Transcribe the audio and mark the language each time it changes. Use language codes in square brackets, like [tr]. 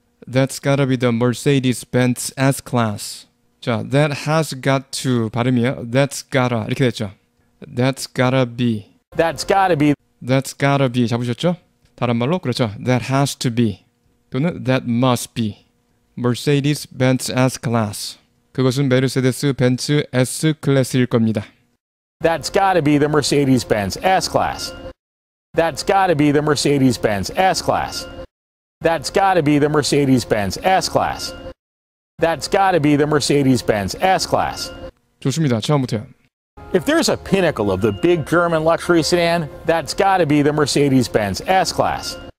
[en] That's got to be the Mercedes-Benz S-Class. 자, that has got to [ko] 발음이야. [en] That's gotta [ko] 이렇게 됐죠. [en] That's gotta be. That's gotta be. That's gotta be [ko] 잡으셨죠? 다른 말로 그렇죠. [en] That has to be 또는 that must be. Mercedes-Benz S-Class. [ko] 그것은 메르세데스-벤츠 S-클래스일 겁니다. [en] That's got to be the Mercedes-Benz S-Class. That's got to be the Mercedes-Benz S-Class. That's got to be the Mercedes-Benz S-Class. That's got to be the Mercedes-Benz S-Class. [ko] 좋습니다. 처음부터요. [en] If there's a pinnacle of the big German luxury sedan, that's got to be the Mercedes-Benz S-Class.